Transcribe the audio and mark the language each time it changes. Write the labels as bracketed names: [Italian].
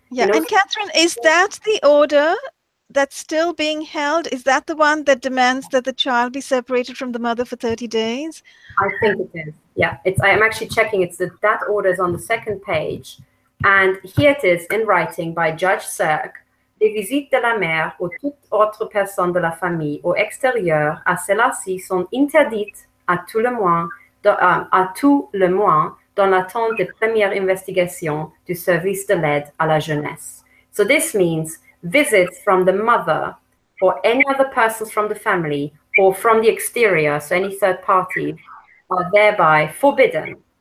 [English] Yeah, you know? And Katherine, is that the order that's still being held? Is that the one that demands that the child be separated from the mother for 30 days? I think it is. Yeah, I'm actually checking. It's that order is on the second page. And here it is in writing by Judge Cirque. [French] Les visites de la mère ou toute autre personne de la famille au extérieur à celle-ci sont interdites à tout le moins dans l'attente des premières investigations du service de l'aide à la jeunesse. [English] So this means visits from the mother or any other person from the family or from the exterior, so any third party, are thereby forbidden.